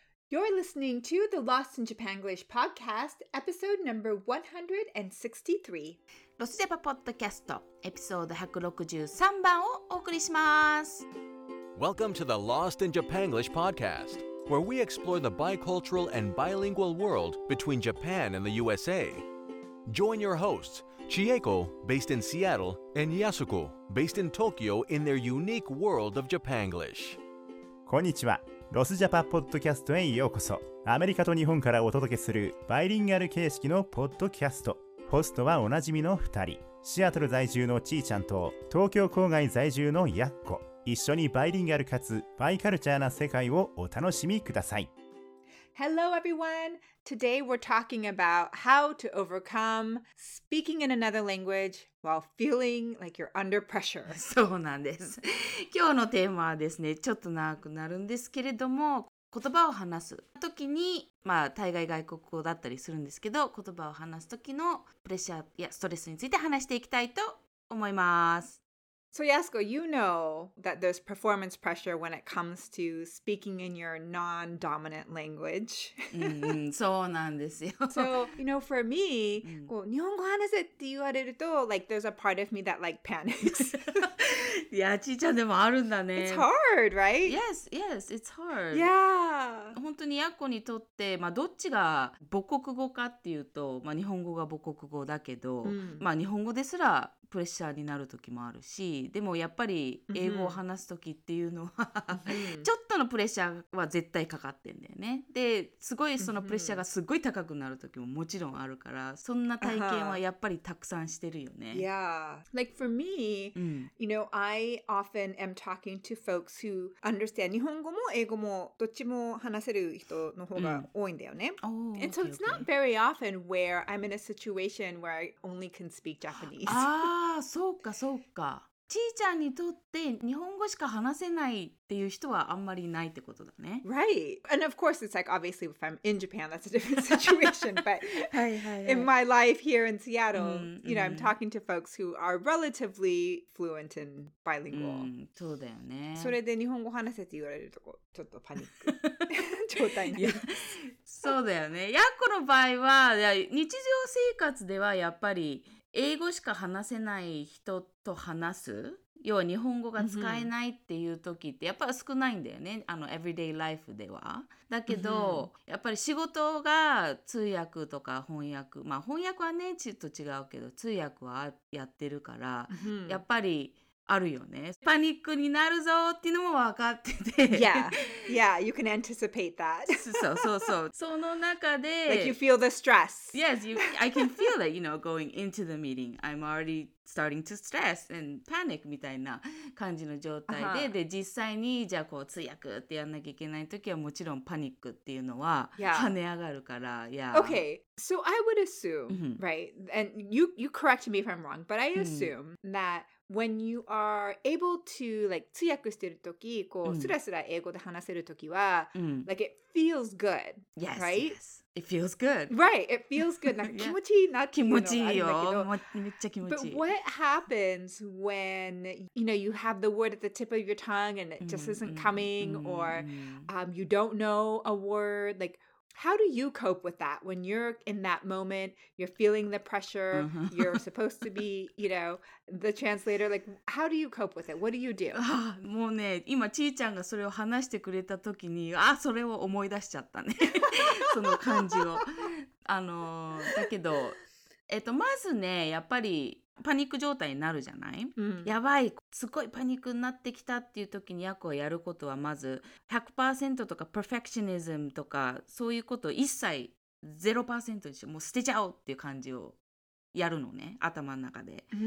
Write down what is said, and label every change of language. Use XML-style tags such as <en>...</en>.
<en>You're listening to the Lost in Japanglish podcast, episode number 163.</en> <ja>ロスジャパポッドキャスト、エピソード163番をお送りします。</ja> <en>Welcome to the Lost in Japanglish podcast, where we explore the bicultural and bilingual world between Japan and the USA. Join your hosts, Chieko, based in Seattle, and Yasuko, based in Tokyo, in their unique world of Japanglish.</en> <ja>こんにちは。ロスジャパポッドキャストへようこそ。アメリカと日本からお届けするバイリンガル形式のポッドキャスト。ホストはおなじみの2人、シアトル在住のちーちゃんと東京郊外在住のやっこ。一緒にバイリンガルかつバイカルチャーな世界をお楽しみください。</ja> <en>Hello everyone! Today we're talking about how to overcome speaking in another language while feeling like you're under pressure.</en> <ja>そうなんです。今日のテーマはですね、ちょっと長くなるんですけれども、言葉を話す時に、まあ対外外国語だったりするんですけど、言葉を話す時のプレッシャーやストレスについて話していきたいと思います。</ja> <en>So Yasuko, you know that there's performance pressure when it comes to speaking in your non-dominant language.</en> <ja>そうなんですよ。</ja> <en>So, you know, for me,</en> <ja>こう、日本語話せって言われると、</ja> <en>like, there's a part of me that, like, panics.</en> <ja>いや、ちーちゃんでもあるんだね。</ja> <en>It's hard, right? Yes, yes, it's hard. Yeah.</en> <ja>本当にやっこにとって、まあ、どっちが母国語かっていうと、まあ、日本語が母国語だけど、まあ、日本語ですらプレッシャーになる時もあるし、でもやっぱり英語を話す時っていうのはちょっとのプレッシャーは絶対かかってんだよね。ですごいそのプレッシャーがすごい高くなる時ももちろんあるから、そんな体験はやっぱりたくさんしてるよね。</ja> <en>Yeah, like for me, you know, I often am talking to folks who understand</en> <ja>日本語も英語もどっちも話せる人の方が多いんだよね。</ja> <en>Oh, and so it's not very often where I'm in a situation where I only can speak Japanese.</en> <ja>ああ、そうかそうか。ちーちゃんにとって日本語しか話せないっていう人はあんまりないってことだね。</ja> <en>Right. And of course, it's like, obviously, if I'm in Japan, that's a different situation. But in my life here in Seattle, you know, I'm talking to folks who are relatively fluent in bilingual.</en> <ja>そうだよね。それで日本語話せって言われるとこ、ちょっとパニック状態になる。そうだよね。やっこの場合は、日常生活ではやっぱり、英語しか話せない人と話す、要は日本語が使えないっていう時ってやっぱり少ないんだよね、あの</ja> <en>everyday life</en> <ja>では。だけどやっぱり仕事が通訳とか翻訳、まあ翻訳はねちょっと違うけど通訳はやってるからやっぱりあるよね。パニックになるぞっていうのも分かってて。</ja> <en>Yeah, yeah, you can anticipate that.</en> <ja>そうそうそう。その中で。</ja> <en>Like you feel the stress. Yes, you, I can feel that, you know, going into the meeting. I'm already starting to stress and panic</en> <ja>みたいな感じの状態で。で、実際にじゃあこう通訳ってやんなきゃいけないときはもちろんパニックっていうのは跳ね上がるから。</ja> <en>Yeah. Okay. So I would assume, right, and you correct me if I'm wrong, but I assume that when you are able to, like,</en> <ja>通訳してるとき、こう、スラスラ英語で話せるときは、</ja> <en>like, it feels good, yes, right? Yes, it feels good. Right, it feels good.</en> <ja>なんか気持ちいいなっていうのがあるんだけど。気持ちいいよ。めっちゃ気持ちいい。</ja> <en>But what happens when, you know, you have the word at the tip of your tongue and it just isn't coming, or you don't know a word, like,How do you cope with that when you're in that moment, you're feeling the pressure, you're supposed to be, you know, the translator, like, how do you cope with it? What do you do?</en> <ja>もうね、今ちーちゃんがそれを話してくれた時に、あ、それを思い出しちゃったね。その感じを。だけど、まずね、やっぱり、パニック状態になるじゃない、やばい、すごいパニックになってきたっていう時に役をやることはまず 100% とかパーフェクショニズムとかそういうことを一切 0% にしよう、もう捨てちゃおうっていう感じをやるのね、頭の中で。</ja>